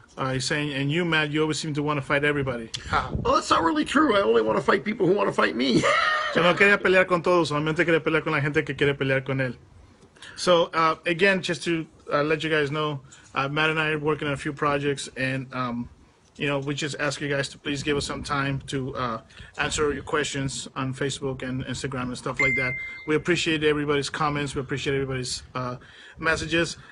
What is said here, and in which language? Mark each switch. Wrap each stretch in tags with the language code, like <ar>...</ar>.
<en>he's saying, and you, Matt, you always seem to want to fight everybody. Well, that's not really true. I only want to fight people who want to fight me.</en> <es>Yo no quería pelear con todos, solamente quería pelear con la gente que quiere pelear con él.</es> <en>So, again, just to let you guys know, Matt and I are working on a few projects, and, you know, we just ask you guys to please give us some time to answer your questions on Facebook and Instagram and stuff like that. We appreciate everybody's comments. We appreciate everybody's messages.</en>